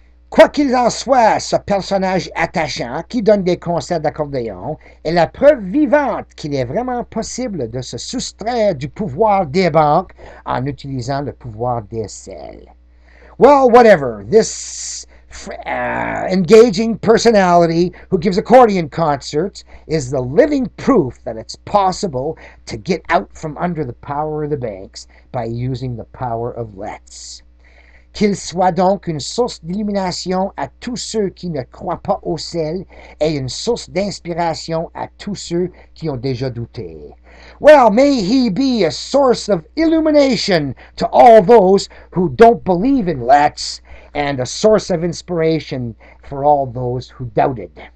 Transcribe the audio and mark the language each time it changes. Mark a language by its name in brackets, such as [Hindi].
[French] Quoi qu'il en soit, ce personnage attachant qui donne des concerts d'accordéon est la preuve vivante qu'il est vraiment possible de se soustraire du pouvoir des banques en utilisant le pouvoir des selles. [English] Well, whatever, this engaging personality who gives accordion concerts is the living proof that it's possible to get out from under the power of the banks by using the power of lets. [French] Qu'il soit donc une source d'illumination à tous ceux qui ne croient pas au sel et une source d'inspiration à tous ceux qui ont déjà douté. [English] Well, may he be a source of illumination to all those who don't believe in lets and a source of inspiration for all those who doubted.